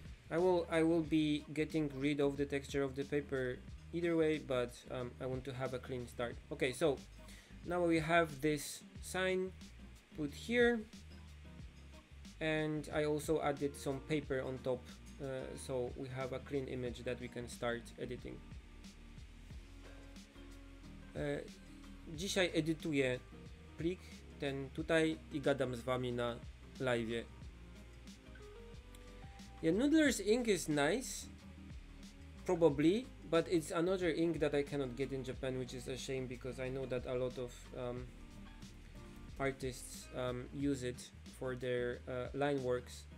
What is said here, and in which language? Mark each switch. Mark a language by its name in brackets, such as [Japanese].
[English] I will be getting rid of the texture of the paper either way, but I want to have a clean start. Okay, so now we have this sign put here, and I also added some paper on top, so we have a clean image that we can start editing. [Polish] Dzisiaj edytuję plik ten tutaj i gadam z wami na live. [English] Yeah, Noodler's ink is nice, probably, but it's another ink that I cannot get in Japan, which is a shame because I know that a lot of artists use it for their line works.